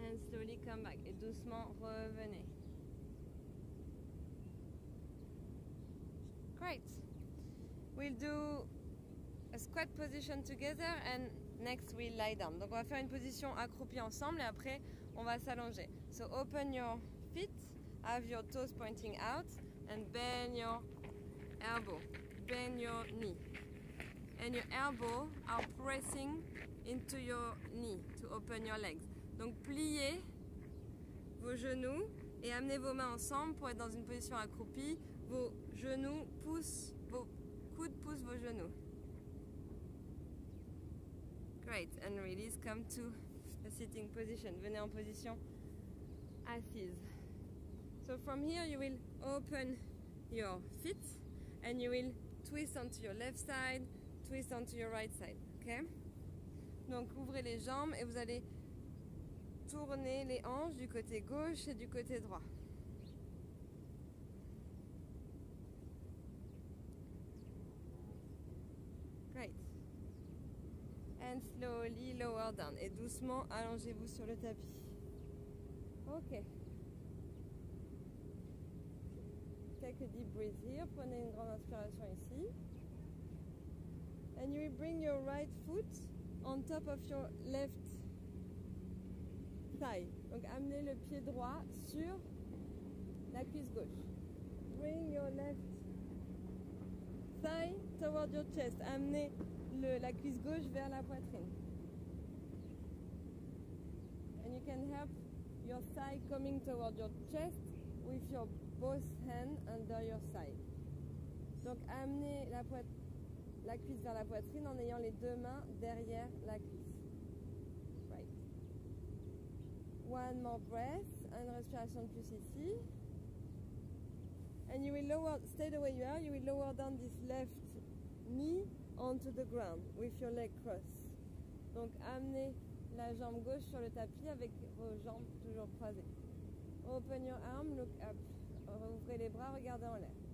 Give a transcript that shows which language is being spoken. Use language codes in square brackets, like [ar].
[en] slowly come back. [fr] Et doucement, revenez. [en] Great. We'll do a squat position together and next we'll lie down. [fr] Donc, on va faire une position accroupie ensemble et après, on va s'allonger. [en] So, open your feet, have your toes pointing out and bend your elbow, bend your knee. And your elbow are pressing into your knee to open your legs. [fr] Donc, pliez vos genoux et amenez vos mains ensemble pour être dans une position accroupie. Vos genoux poussent, vos coudes poussent vos genoux. [en] Great, and release, come to a sitting position. [fr] Venez en position assise. [en] So from here, you will open your feet and you will twist onto your left side, twist onto your right side, okay? [fr] Donc, ouvrez les jambes et vous allez tourner les hanches du côté gauche et du côté droit. [en] Great. And slowly lower down. [fr] Et doucement, allongez-vous sur le tapis. Ok. [en] Take a deep breath here. [fr] Prenez une grande inspiration ici. [en] And you will bring your right foot on top of your left thigh. [fr] Donc, amenez le pied droit sur la cuisse gauche. [en] Bring your left thigh toward your chest. [fr] Amenez la cuisse gauche vers la poitrine. [en] And you can help your thigh coming toward your chest with your both hands under your thigh. [fr] Donc, amenez la cuisse vers la poitrine en ayant les deux mains derrière la cuisse. [en] Right. One more breath. [fr] Une respiration de plus ici. [en] And you will lower, stay the way you are, you will lower down this left knee onto the ground with your leg crossed. [fr] Donc amenez la jambe gauche sur le tapis avec vos jambes toujours croisées. [en] Open your arm, look up. [fr] Ouvrez les bras, regardez en l'air.